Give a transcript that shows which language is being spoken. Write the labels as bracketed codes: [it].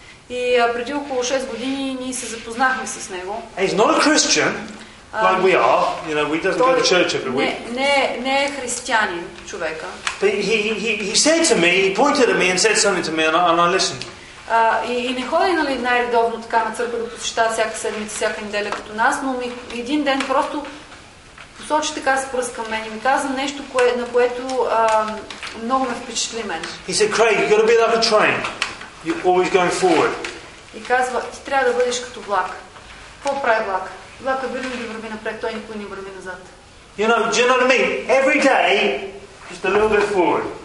[bg] И преди около 6 години ние се запознахме с него. [en] He's not a Christian like we are, you know, we doesn't go to church every week. [bg] Не е християнин човека. [en] But he said to me, he pointed at me and said something to me and I listened. [bg] И не ходи, нали, най-редовно така на църква да посещава всяка седмица, всяка неделя като нас, но ми един ден просто посочи така с пръст към мен и ми каза нещо, на което много ме впечатли мен. [en] He said, Craig, you've got to be like a train. You're always going forward. [bg] И казва, ти трябва да бъдеш като влак. Какво прави влак? Влакът винаги върви напред, той никой не върви назад. [en] You know, do you know what I mean? Every day, just a little bit forward.